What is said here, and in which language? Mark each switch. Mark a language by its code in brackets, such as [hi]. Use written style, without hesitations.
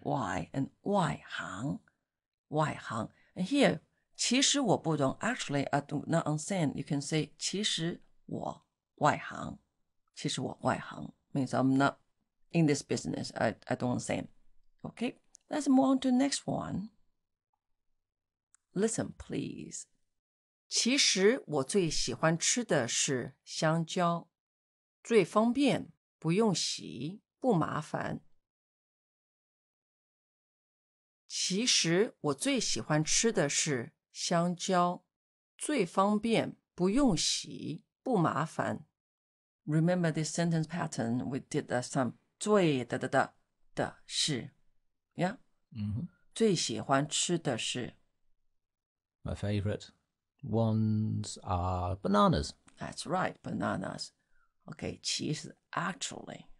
[en] Why, and [zh] 外行 外行 [en] And here, [zh] 其实我不懂 [en] Actually, I do not understand. You can say, [zh] 其实我外行其实我外行 [en] Means I'm not in this business. I don't understand. Okay, let's move on to the next one. Listen, please. [zh] 其实我最喜欢吃的是香蕉最方便不用洗不麻烦。其实我最喜欢吃的是香蕉，最方便，不用洗，不麻烦。 [en] Remember this sentence pattern we did last time. 最的的的的是 ，Yeah，嗯、mm-hmm. ， [zh] 最喜欢吃的是。 [en] My favorite ones are bananas. That's right, bananas. Okay, [zh] 其实 [en] actually.